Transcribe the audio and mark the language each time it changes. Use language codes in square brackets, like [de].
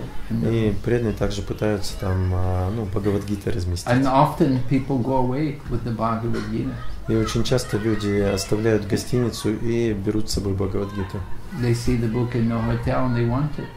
[ru] И преданные также пытаются там, ну, Бхагавад-гиту разместить. [en] And often people go away with the Bhagavad-gita. [ru] И очень часто люди оставляют гостиницу и берут с собой Бхагавад-гиту. [en] They see the book in the hotel and they want it.